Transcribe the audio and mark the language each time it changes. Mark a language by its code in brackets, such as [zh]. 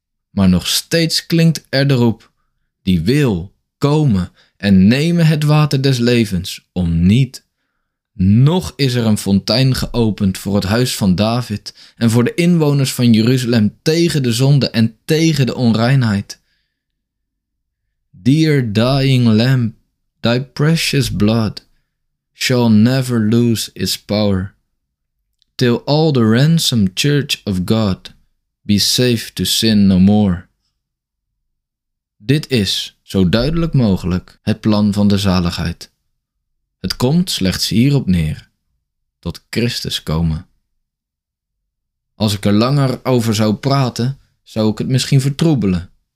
[nl] Maar nog steeds klinkt er de roep: die wil komen en nemen het water des levens om niet. Nog is er een fontein geopend voor het huis van David en voor de inwoners van Jeruzalem tegen de zonde en tegen de onreinheid. [en] Dear dying lamb, thy precious blood shall never lose its power till all the ransomed church of God be safe to sin no more. [nl] Dit is, zo duidelijk mogelijk, het plan van de zaligheid. Het komt slechts hierop neer, tot Christus komen. Als ik er langer over zou praten, zou ik het misschien vertroebelen.